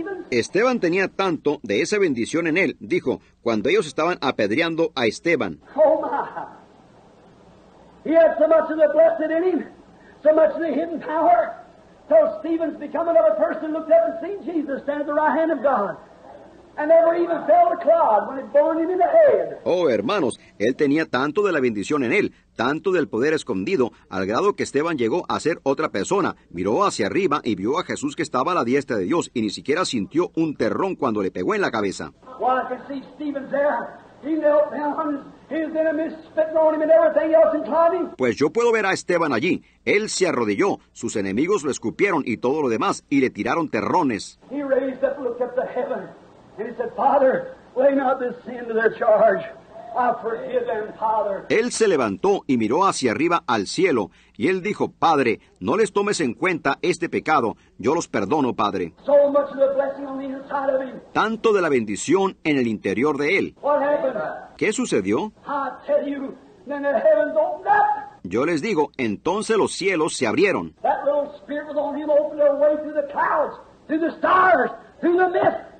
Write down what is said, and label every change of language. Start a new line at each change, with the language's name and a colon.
Spanish: Esteban tenía tanto de esa bendición en él, dijo, cuando ellos estaban apedreando a Esteban.
English: Oh my. He had so much of the blessed in him, so much of the hidden power, till Stephen's become another person, looked up and seen Jesus stand at the right hand of God. And never even felt a clod when it burned him in the head.
Spanish: Oh hermanos, él tenía tanto de la bendición en él, tanto del poder escondido, al grado que Esteban llegó a ser otra persona, miró hacia arriba y vio a Jesús que estaba a la diestra de Dios y ni siquiera sintió un terrón cuando le pegó en la cabeza.
English: Well, I could see Stephen there. He knelt down. His enemies spitting on him and everything else inclining.
Spanish: Pues yo puedo ver a Esteban allí. Él se arrodilló, sus enemigos lo escupieron y todo lo demás, y le tiraron terrones.
English: He raised up, looked up to heaven, and he said, Father, lay not this sin to their charge. I forgive them, Father.
Spanish: Él se levantó y miró hacia arriba al cielo, y él dijo, Padre, no les tomes en cuenta este pecado, yo los perdono, Padre.
English: So much of the blessing on the inside of him.
Spanish: Tanto de la bendición en el interior de él.
English: What happened?
Spanish: ¿Qué sucedió?
English: I tell you, then the heavens opened up.
Spanish: Yo les digo, entonces los cielos se abrieron.
English: That little spirit was on him, opened their way through the clouds, through the stars, through the mist.